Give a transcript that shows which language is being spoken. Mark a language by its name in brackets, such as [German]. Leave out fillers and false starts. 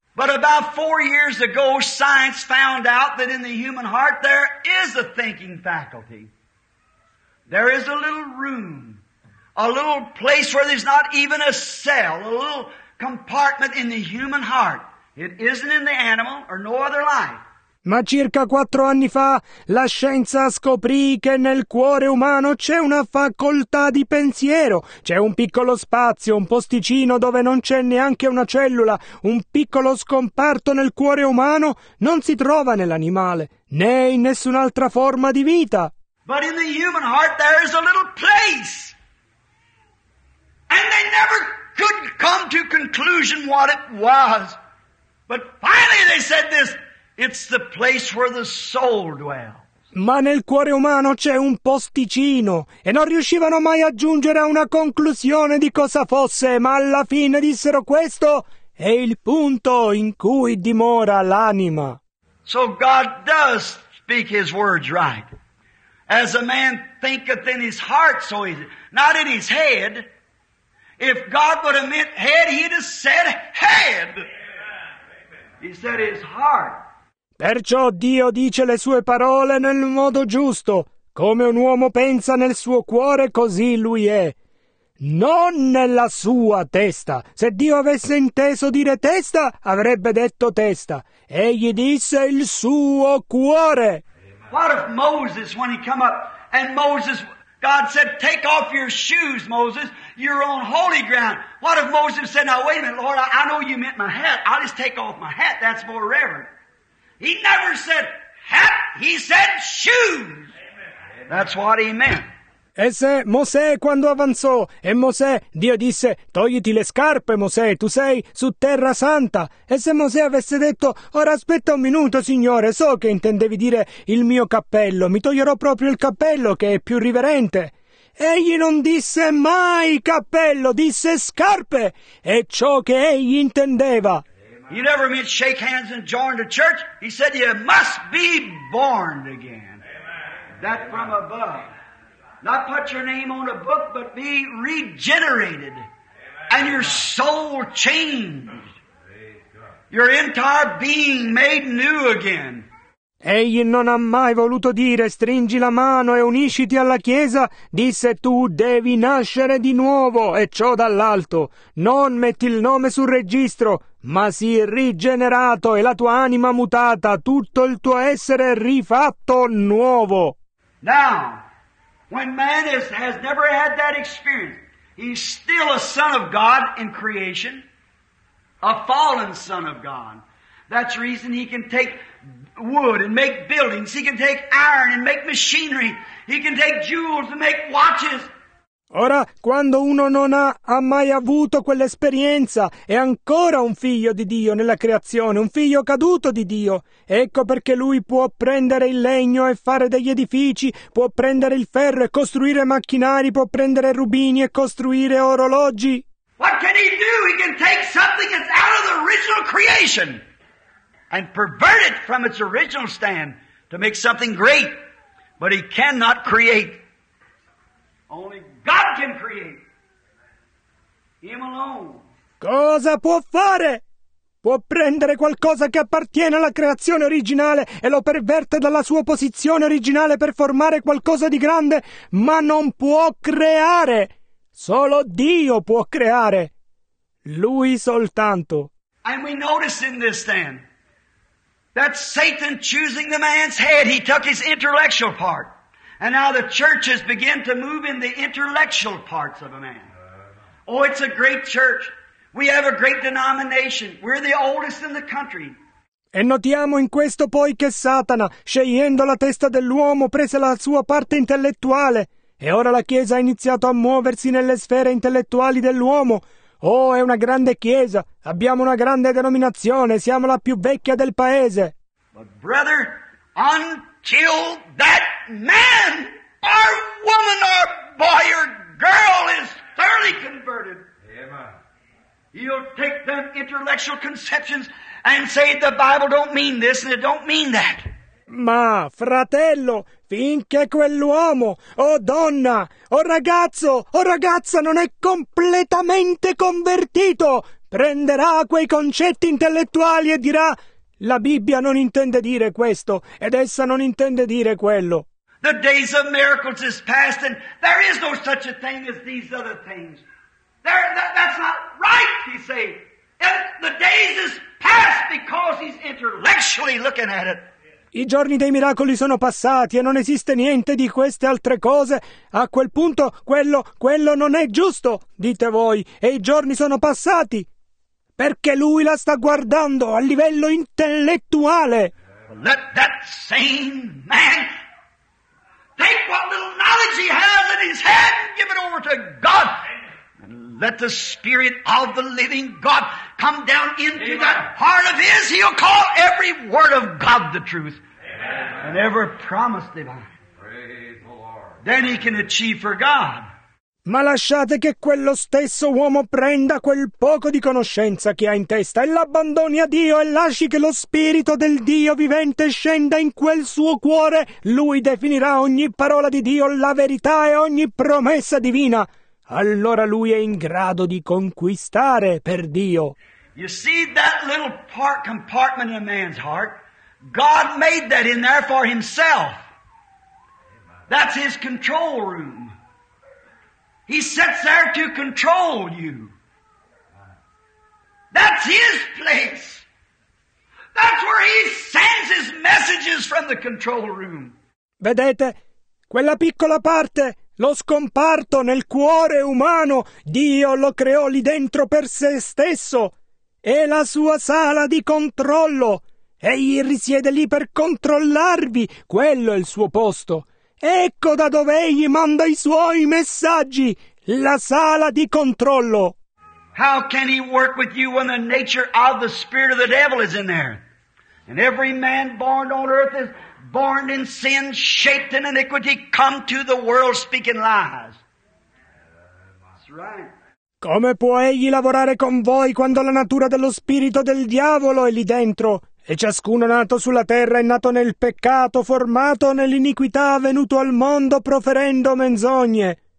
[English] But about 4 years ago, science found out that in the human heart there is a thinking faculty. There is a little room. A little place where there's not even a cell, a little compartment in the human heart. It isn't in the animal or no other life. [Italian] Ma circa 4 anni fa, la scienza scoprì che nel cuore umano c'è una facoltà di pensiero. C'è un piccolo spazio, un posticino dove non c'è neanche una cellula, un piccolo scomparto nel cuore umano non si trova nell'animale, né in nessun'altra forma di vita. [English] But in the human heart there is a little place. And they never could come to conclusion what it was. But finally they said this, it's the place where the soul dwells. [Italian] Ma nel cuore umano c'è un posticino, e non riuscivano mai a giungere a una conclusione di cosa fosse, ma alla fine dissero questo, è il punto in cui dimora l'anima. [English] So God does speak his words right. As a man thinketh in his heart, so is it. Not in his head. If God would have meant head, he'd have said head. He said his heart. [Italian] Perciò Dio dice le sue parole nel modo giusto. Come un uomo pensa nel suo cuore, così lui è. Non nella sua testa. Se Dio avesse inteso dire testa, avrebbe detto testa. Egli disse il suo cuore. [English] What if Moses, when he come up, and Moses God said, take off your shoes, Moses. You're on holy ground. What if Moses said, now wait a minute, Lord, I know you meant my hat. I'll just take off my hat. That's more reverent. He never said hat. He said shoes. Amen. That's what he meant. [Italian] E se Mosè quando avanzò, e Mosè, Dio disse, togliti le scarpe, Mosè, tu sei su terra santa. E se Mosè avesse detto, ora aspetta un minuto, Signore, so che intendevi dire il mio cappello, mi toglierò proprio il cappello che è più riverente. Egli non disse mai cappello, disse scarpe, è ciò che egli intendeva. [English] You never meant shake hands and join the church. He said you must be born again. That from above. Not put your name on a book, but be regenerated. Amen. And your soul changed. Your entire being made new again. [Italian] Egli non ha mai voluto dire, stringi la mano e unisciti alla Chiesa. Disse, tu devi nascere di nuovo, e ciò dall'alto. Non metti il nome sul registro, ma sii rigenerato e la tua anima mutata, tutto il tuo essere rifatto nuovo. [English] Now, when man has never had that experience, he's still a son of God in creation, a fallen son of God. That's the reason he can take wood and make buildings. He can take iron and make machinery. He can take jewels and make watches. [Italian] Ora, quando uno non ha mai avuto quell'esperienza, è ancora un figlio di Dio nella creazione, un figlio caduto di Dio. Ecco perché lui può prendere il legno e fare degli edifici, può prendere il ferro e costruire macchinari, può prendere rubini e costruire orologi. [English] What can he do? He can take something that's out of the original creation and pervert it from its original stand to make something great. But he cannot create. Only God can create. Him alone. [Italian] Cosa può fare? Può prendere qualcosa che appartiene alla creazione originale e lo perverte dalla sua posizione originale per formare qualcosa di grande, ma non può creare. Solo Dio può creare. Lui soltanto. [English] And we notice in this then that Satan choosing the man's head, he took his intellectual part. And now the church has begun to move in the intellectual parts of a man. Oh, it's a great church. We have a great denomination. We're the oldest in the country. [Italian] E notiamo in questo poi che Satana, scegliendo la testa dell'uomo, prese la sua parte intellettuale. E ora la Chiesa ha iniziato a muoversi nelle sfere intellettuali dell'uomo. Oh, è una grande Chiesa. Abbiamo una grande denominazione. Siamo la più vecchia del paese. [English] But brother, until that man, or woman, or boy, or girl is thoroughly converted, amen, he'll take them intellectual conceptions and say the Bible don't mean this and it don't mean that. [Italian] Ma, fratello, finché quell'uomo, o donna, o ragazzo, o ragazza non è completamente convertito, prenderà quei concetti intellettuali e dirà la Bibbia non intende dire questo, ed essa non intende dire quello. [English] The days of miracles is past, and there is no such a thing as these other things. That's not right, he say. The days is past because he's intellectually looking at it. [Italian] I giorni dei miracoli sono passati, e non esiste niente di queste altre cose. A quel punto, quello non è giusto, dite voi, e i giorni sono passati. Perché lui la sta guardando a livello intellettuale. [English] Let that same man take what little knowledge he has in his head and give it over to God. And let the Spirit of the living God come down into Amen. That heart of his. He'll call every word of God the truth. Amen. And every promise divine. Praise the Lord. Then he can achieve for God. [Italian] Ma lasciate che quello stesso uomo prenda quel poco di conoscenza che ha in testa e l'abbandoni a Dio e lasci che lo Spirito del Dio vivente scenda in quel suo cuore. Lui definirà ogni parola di Dio la verità e ogni promessa divina. Allora lui è in grado di conquistare per Dio. [English] You see that little part compartment in a man's heart? God made that in there for himself. That's his control room. He sits there to control you. That's his place. That's where he sends his messages from the control room. [Italian] Vedete, quella piccola parte lo scomparto nel cuore umano. Dio lo creò lì dentro per sé stesso. È la sua sala di controllo. Egli risiede lì per controllarvi. Quello è il suo posto. Ecco da dove egli manda i suoi messaggi. La sala di controllo. [English] How can he work with you when the nature of the spirit of the devil is in there? And every man born on earth is born in sin, shaped in iniquity, come to the world speaking lies. That's right. [Italian] Come può egli lavorare con voi quando la natura dello spirito del diavolo è lì dentro? E ciascuno nato sulla terra è nato nel peccato, formato nell'iniquità, venuto al mondo proferendo menzogne.